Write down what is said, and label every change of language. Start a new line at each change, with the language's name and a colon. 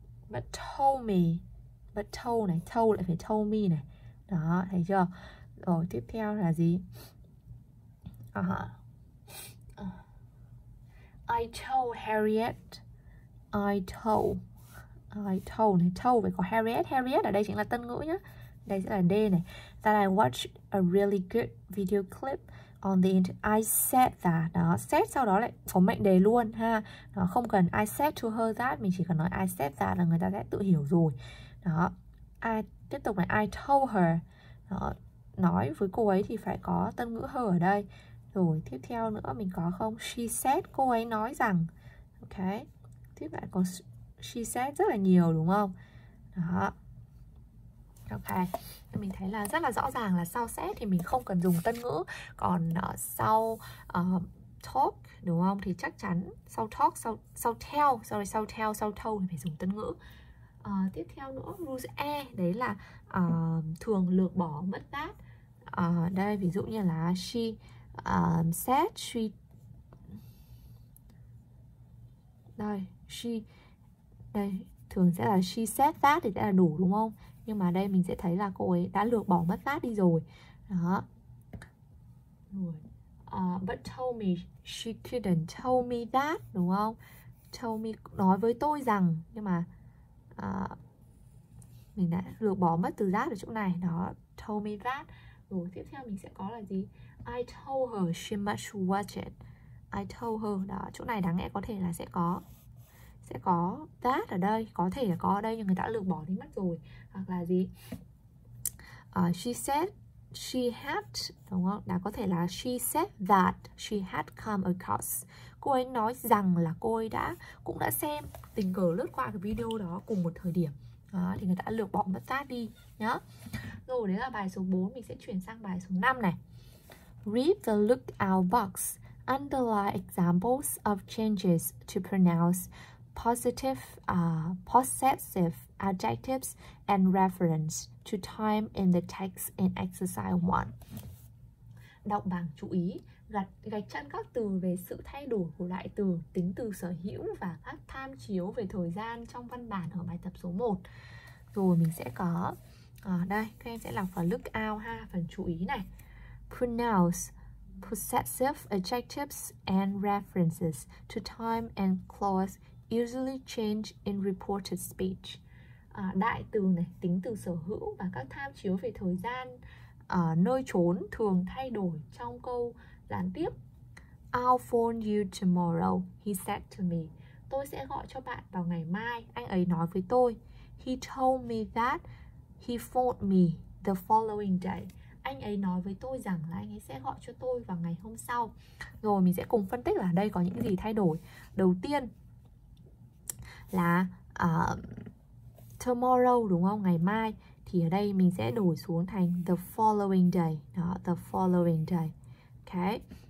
English: But told me, but told
Vietnamese: này,
English: told
Vietnamese: lại phải
English: told me
Vietnamese: này, đó thấy chưa? Rồi tiếp theo là gì?
English: I told Harriet. I told
Vietnamese: này,
English: told
Vietnamese: phải có
English: Harriet.
Vietnamese: Harriet ở đây chính là tân ngữ nhá. Đây sẽ là D này.
English: That I watched a really good video clip on the internet. I said that.
Vietnamese: Đó, said sau đó lại có mệnh đề luôn ha. Đó, không cần
English: I said to her that,
Vietnamese: mình chỉ cần nói
English: I said that
Vietnamese: là người ta sẽ tự hiểu rồi. Đó, I tiếp tục này,
English: I told her.
Vietnamese: Đó, nói với cô ấy thì phải có tân ngữ her ở đây. Rồi, tiếp theo nữa mình có không?
English: She said,
Vietnamese: cô ấy nói rằng. Ok, tiếp lại có
English: she said
Vietnamese: rất là nhiều đúng không? Đó. Ok. Mình thấy là rất là rõ ràng là sau said thì mình không cần dùng tân ngữ. Còn sau talk đúng không? Thì chắc chắn sau talk, sau tell thì phải dùng tân ngữ. Tiếp theo nữa, rules E. Đấy là thường lược bỏ mất that. Đây, ví dụ như là
English: she said she.
Vietnamese: Đây. Đây thường sẽ là
English: she said that
Vietnamese: thì sẽ là đủ đúng không? Nhưng mà đây mình sẽ thấy là cô ấy đã lược bỏ mất that đi rồi. Đó.
English: But told me she couldn't tell me that
Vietnamese: đúng không?
English: Told me
Vietnamese: nói với tôi rằng, nhưng mà mình đã lược bỏ mất từ that ở chỗ này. Đó,
English: told me that.
Vietnamese: Rồi tiếp theo mình sẽ có là gì?
English: I told her she must watch it. I told her
Vietnamese: đó, chỗ này đáng lẽ có thể là sẽ có that ở đây, có thể là có ở đây nhưng người ta lược bỏ đi mất rồi. Hoặc là gì?
English: She said she had,
Vietnamese: đúng không? Đã có thể là
English: she said that she had come across.
Vietnamese: Cô ấy nói rằng là cô ấy cũng đã xem, tình cờ lướt qua cái video đó cùng một thời điểm. Đó, thì người ta lược bỏ mất that đi nhá. Rồi đấy là bài số 4, mình sẽ chuyển sang bài số 5 này.
English: Read the lookout box. Underline examples of changes to pronouns, positive, possessive adjectives, and reference to time in the text in exercise 1.
Vietnamese: Đọc bảng chú ý, gạch chân các từ về sự thay đổi của loại từ, tính từ sở hữu và các tham chiếu về thời gian trong văn bản ở bài tập số 1. Rồi mình sẽ có, đây, các em sẽ làm phần look out ha, phần chú ý này.
English: Pronouns, possessive adjectives and references to time and clause usually change in reported speech.
Vietnamese: Đại từ này, tính từ sở hữu và các tham chiếu về thời gian nơi chốn thường thay đổi trong câu gián tiếp.
English: I'll phone you tomorrow, he said to me.
Vietnamese: Tôi sẽ gọi cho bạn vào ngày mai, anh ấy nói với tôi.
English: He told me that he phoned me the following day.
Vietnamese: Anh ấy nói với tôi rằng là anh ấy sẽ gọi cho tôi vào ngày hôm sau. Rồi mình sẽ cùng phân tích là đây có những gì thay đổi. Đầu tiên là tomorrow đúng không? Ngày mai. Thì ở đây mình sẽ đổi xuống thành
English: the following day.
Vietnamese: Đó, the following day. Okay.